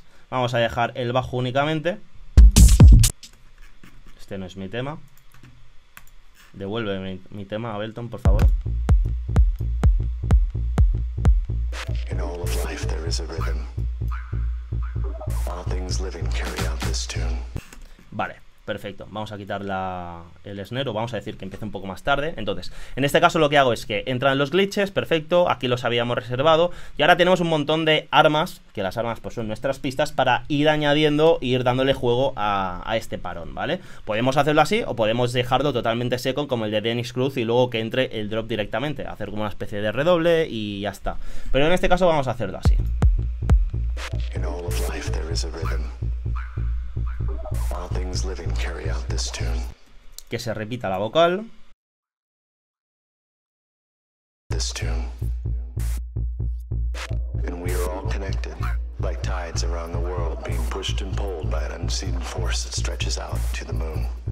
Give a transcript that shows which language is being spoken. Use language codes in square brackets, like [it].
[es] Vamos a dejar el bajo únicamente. Este no es mi tema. Devuelve mi tema a Belton, por favor. [en] In all of life there is a rhythm. All things living carry out this tune. [es] Vale, perfecto. Vamos a quitar el snare, o vamos a decir que empiece un poco más tarde. Entonces, en este caso lo que hago es que entran los glitches, perfecto. Aquí los habíamos reservado. Y ahora tenemos un montón de armas, que las armas pues son nuestras pistas, para ir añadiendo e ir dándole juego a este parón, ¿vale? Podemos hacerlo así o podemos dejarlo totalmente seco como el de Dennis Cruz y luego que entre el drop directamente. Hacer como una especie de redoble y ya está. Pero en este caso vamos a hacerlo así. [en] In all of life there is a rhythm. All things living carry out this tune. [es] Que se repita la vocal. [en] This tune. And we are all connected, like tides around the world being pushed and pulled by an unseen force that stretches out to the moon.